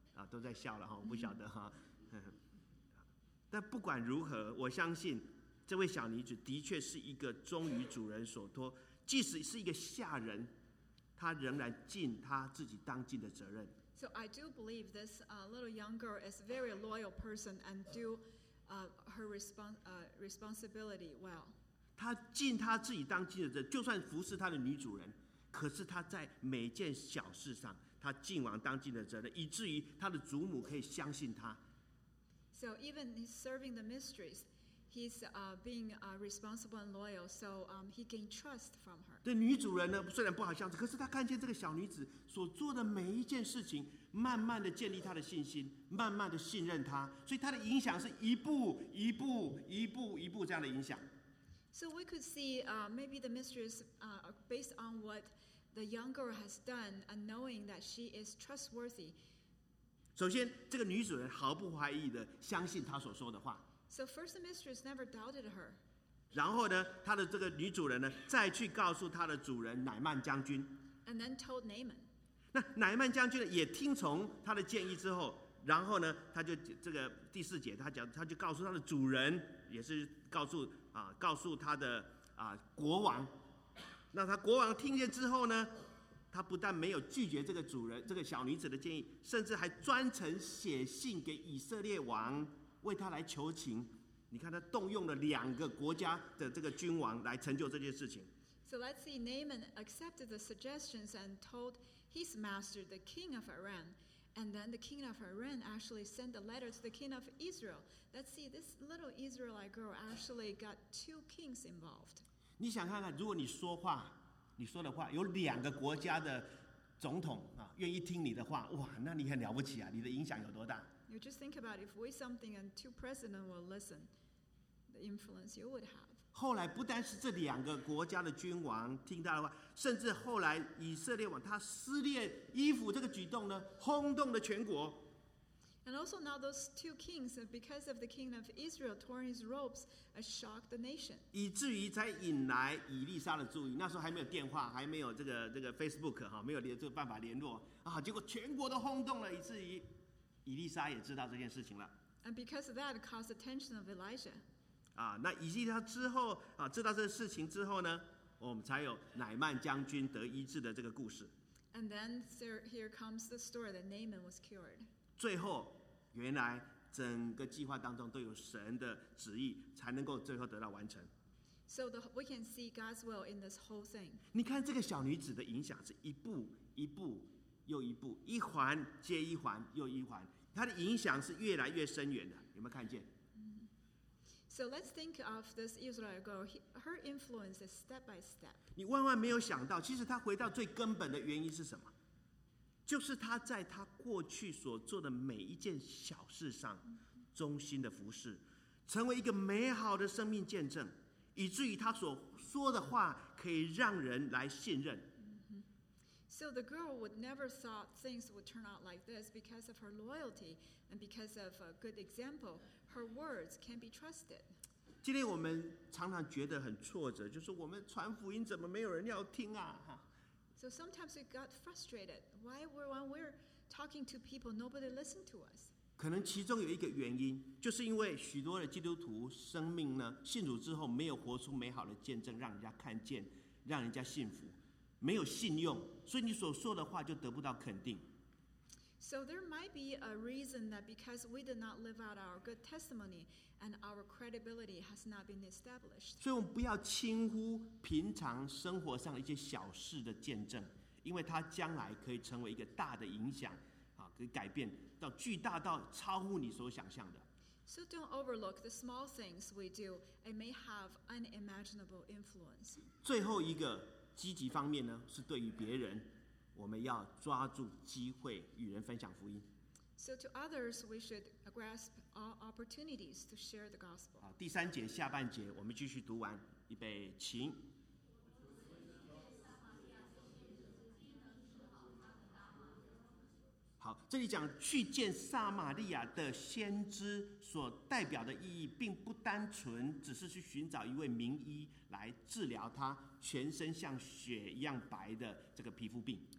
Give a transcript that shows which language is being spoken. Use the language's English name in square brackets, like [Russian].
[Chinese] 都在笑了哈，我不晓得哈。但不管如何，我相信这位小女子的确是一个忠于主人所托，即使是一个下人，她仍然尽她自己当尽的责任。 [English] So I do believe this little young girl is very loyal person and do her responsibility well. [Chinese] 她尽她自己当尽的责任，就算服侍她的女主人，可是她在每件小事上，她尽完当尽的责任，以至于她的祖母可以相信她。 [English] So even serving the mistress, he's being responsible and loyal, so he gained trust from her. [Chinese] 对女主人呢，虽然不好相处，可是他看见这个小女子所做的每一件事情，慢慢的建立他的信心，慢慢的信任他，所以他的影响是一步一步一步一步这样的影响。 [English] So we could see, maybe the mistress, based on what the young girl has done, and knowing that she is trustworthy. [Chinese] 首先，这个女主人毫不怀疑的相信她所说的话。 [English] So first, the mistress never doubted her. [Chinese] 然后呢，她的这个女主人呢，再去告诉她的主人乃曼将军。 [English] And then told Naaman. [Chinese] 那乃曼将军呢，也听从她的建议之后，然后呢，他就这个第四节，他就告诉他的主人，也是告诉他的国王。那他国王听见之后呢？他不但没有拒绝这个主人这个小女子的建议，甚至还专程写信给以色列王，为他来求情。你看，他动用了两个国家的这个君王来成就这件事情。 [English] So let's see, Naaman accepted the suggestions and told his master, the king of Aram, and then the king of Aram actually sent a letter to the king of Israel. Let's see, this little Israelite girl actually got two kings involved. [Chinese] 你想看看，如果你说话。你说的话有两个国家的总统啊，愿意听你的话，哇，那你很了不起啊！你的影响有多大 [English] ？You just think about if we something and two presidents will listen, the influence you would have. [Chinese] 后来不单是这两个国家的君王听到的话，甚至后来以色列王他撕裂衣服这个举动呢，轰动了全国。 [English] And also now those two kings, because of the king of Israel torn his robes, shocked the nation. [Chinese] 以至于才引来以利沙的注意。那时候还没有电话，还没有这个 Facebook 哈，没有这个办法联络啊。结果全国都轰动了，以至于以利沙也知道这件事情了。 [English] And because of that, caused the attention of Elijah. [Chinese] 啊，那以利沙之后啊，知道这个事情之后呢，我们才有乃曼将军得医治的这个故事。 [English] And then here comes the story that Naaman was cured. [Chinese] 最后，原来整个计划当中都有神的旨意，才能够最后得到完成。 [English] So we can see God's will in this whole thing. [Chinese] 你看这个小女子的影响是一步一步又一步，一环接一环又一环，她的影响是越来越深远的。有没有看见？ [English] So let's think of this Israel girl. Her influence is step by step. [Chinese] 你万万没有想到，其实她回到最根本的原因是什么？就是他在他过去所做的每一件小事上，忠心的服侍，成为一个美好的生命见证，以至于他所说的话可以让人来信任。 [English] So the girl would never thought things would turn out like this because of her loyalty and because of a good example. Her words can be trusted. [Chinese] 今天我们常常觉得很挫折，就是我们传福音怎么没有人要听啊？ [English] So sometimes we got frustrated. Why were when we're talking to people, nobody listened to us? [Chinese] 可能其中有一个原因，就是因为许多的基督徒生命呢，信主之后没有活出美好的见证，让人家看见，让人家信服。没有信用，所以你所说的话就得不到肯定。 [English] So there might be a reason that because we did not live out our good testimony and our credibility has not been established. [Chinese] 所以我们不要轻忽平常生活上一些小事的见证，因为它将来可以成为一个大的影响，啊，可以改变到巨大到超乎你所想象的。 [English] So don't overlook the small things we do. It may have unimaginable influence. [Chinese] 最后一个。积极方面呢，是对于别人，我们要抓住机会与人分享福音。 [English] So to others, we should grasp all opportunities to share the gospel. [Chinese] 好，第三节下半节，我们继续读完，预备，请。好，这里讲去见撒玛利亚的先知所代表的意义，并不单纯只是去寻找一位名医来治疗他全身像血一样白的这个皮肤病。